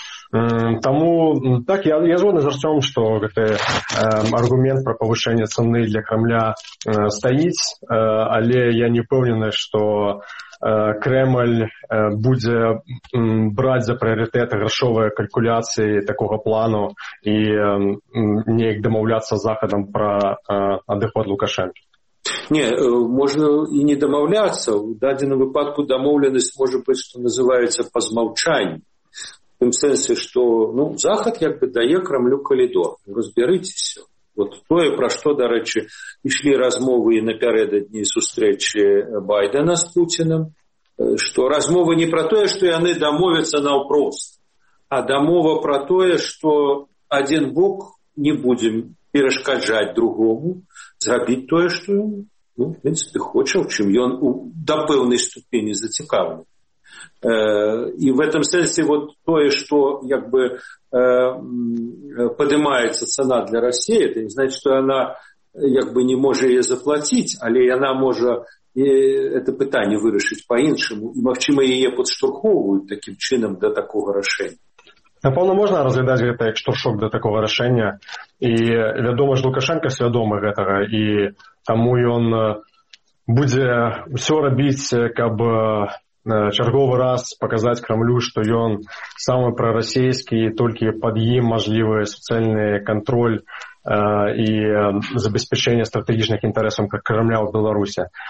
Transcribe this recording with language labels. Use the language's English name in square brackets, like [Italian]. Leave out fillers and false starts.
[Belarusian] Таму так я згодны з Арцём, што гэты аргумент пра павышэнне цаны для Крамля стаіць, але я не ўпэўнены, што Крэмль будзе браць за прыярытэт грашовыя калькуляцыі такога плану і неяк дамаўляцца з Захадам пра адыход Лукашэнкі. Не, можна і не дамаўляцца. У дадзеным выпадку дамоўленасць можа быць, што называецца па змаўчанні. [Russian] В том смысле, что ну, Захад как бы дает Кремлю коридор. Разберитесь все. [Belarusian] От тое, пра што, дарэчы, ішлі размовы і напярэдадні сустрэчы Байдена з Пуціным, што размова не пра тое, што яны дамовяцца наўпрост, а дамова пра тое, што адзін бок не будзе перашкаджаць другому зрабіць тое, што ён, ну, [Russian] в принципе, [Belarusian] хоча, чым ён да пэўнай ступені зацікаўлены. [Russian] И в этом смысле вот то, что как бы поднимается цена для России, это не значит, что она как бы не может ее заплатить, але она может это питание вырешить по-иншему, и, возможно, ее подштурховывают таким чином до такого решения. [Belarusian] Напевно, можна разглядаць гэта як штуршок да такога рашэння. І вядома ж, Лукашэнка свядомы гэтага, і таму ён будзе ўсё рабіць, каб чарговы раз паказаць Крамлю, што ён самы прарасійскі, і толькі пад ім мажлівы суцэльны кантроль і забеспячэнне стратэгічных інтарэсаў Крамля ў Беларусі.